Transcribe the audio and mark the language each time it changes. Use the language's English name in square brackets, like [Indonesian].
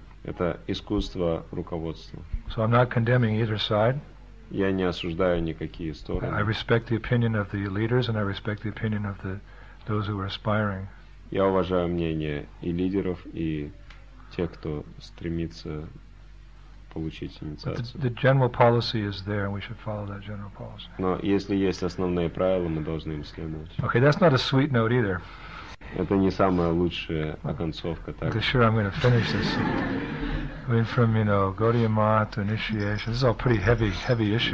[Russian] Это искусство руководства. [English] So I'm not condemning either side. [Russian] Я не осуждаю никакие стороны. [English] I respect the opinion of the leaders and I respect the opinion of those who are aspiring. [Russian] Я уважаю мнение и лидеров, и тех, кто стремится получить инициацию. [English] The general policy is there, and we should follow that general policy. [Russian] Но если есть основные правила, мы должны им следовать. [English] Okay, that's not a sweet note either. [Russian] Это не самая лучшая оконцовка, так. [English] Okay, sure, I'm going to finish this. I mean, from, you know, Gaudiya Math to initiation, this is all pretty heavy issues.